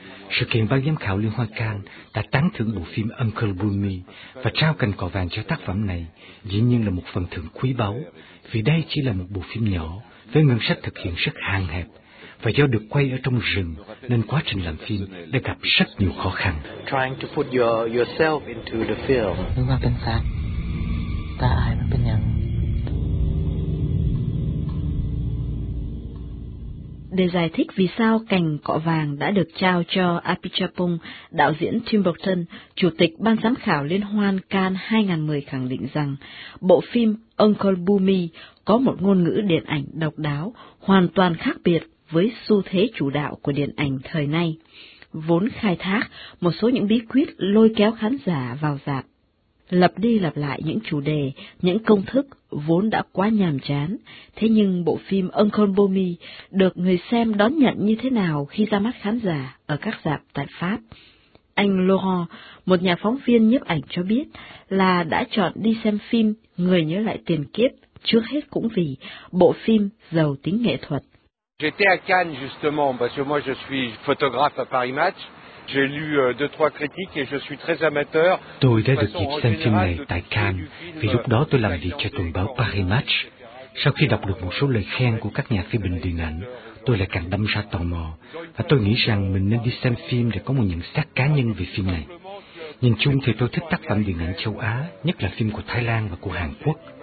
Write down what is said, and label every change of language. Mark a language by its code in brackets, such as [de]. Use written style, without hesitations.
[vi] Sự kiện ban giám khảo Liên hoan Cannes đã tán thưởng bộ phim Uncle Bunmi và trao Cành Cọ Vàng cho tác phẩm này, dĩ nhiên là một phần thưởng quý báu, vì đây chỉ là một bộ phim nhỏ, với ngân sách thực hiện rất hạn hẹp. Và do được quay ở trong rừng nên quá trình làm phim đã gặp rất nhiều khó khăn. [en] Trying to put yourself into the film. Nhưng mà bên sát, ta ai mà bên nhận. [vi] Để giải thích vì sao Cành Cọ Vàng đã được trao cho Apichapong, đạo diễn Tim Burton, chủ tịch ban giám khảo liên hoan Cannes 2010 khẳng định rằng bộ phim Uncle Bunmi có một ngôn ngữ điện ảnh độc đáo, hoàn toàn khác biệt với xu thế chủ đạo của điện ảnh thời nay, vốn khai thác một số những bí quyết lôi kéo khán giả vào rạp, lặp đi lặp lại những chủ đề, những công thức vốn đã quá nhàm chán. Thế nhưng bộ phim Uncle Bunmi được người xem đón nhận như thế nào khi ra mắt khán giả ở các rạp tại Pháp? Anh Laurent, một nhà phóng viên nhiếp ảnh cho biết là đã chọn đi xem phim Người nhớ lại tiền kiếp trước hết cũng vì bộ phim giàu tính nghệ thuật. [fr] J'étais à Cannes justement parce que moi je suis photographe à Paris Match. J'ai lu deux trois critiques et je suis très amateur. [vi] Tôi đã được dịp xem phim này tại Cannes vì lúc đó tôi làm việc cho tuần báo Paris Match. Sau khi đọc được một số lời khen của các nhà phê bình điện ảnh, tôi lại càng đâm ra tò mò và tôi nghĩ rằng mình nên đi xem phim để có một nhận xét cá nhân về phim này. Nhìn chung thì tôi thích tác phẩm điện ảnh châu Á, nhất là phim của Thái Lan và của Hàn Quốc.